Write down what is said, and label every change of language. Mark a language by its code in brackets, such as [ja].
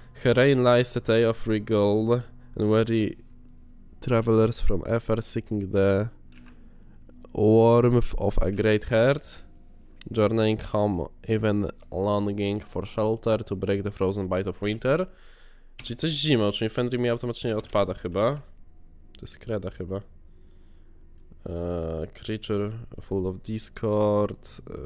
[en] Herein lies the tale of Rigol and weary travelers from Efer seeking the warmth of a great heart, journeying home, even longing for shelter to break the frozen bite of winter. [pl] Czyli coś zimą, czyli Fenrir mi automatycznie odpada chyba. To jest kreda chyba. [en] Creature full of discord.